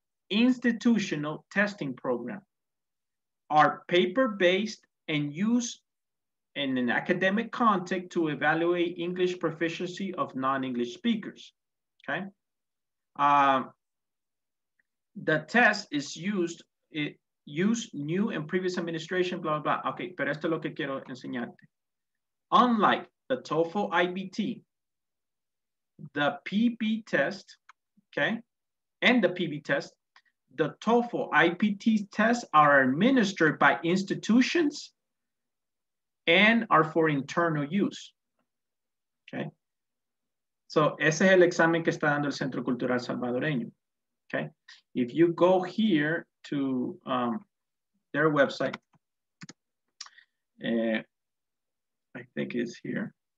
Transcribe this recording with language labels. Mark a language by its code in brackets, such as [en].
[en] Institutional testing program are paper-based and used in an academic context to evaluate English proficiency of non-English speakers, okay? The test is used, new and previous administration, blah, blah, blah. [es] Okay, pero esto es lo que quiero enseñarte. [en] Unlike the TOEFL IBT, the PB test, okay, and the PB test, the TOEFL IPT tests are administered by institutions and are for internal use, okay? [es] So ese es el examen que está dando el Centro Cultural Salvadoreño, okay? [en] If you go here to their website, I think it's here.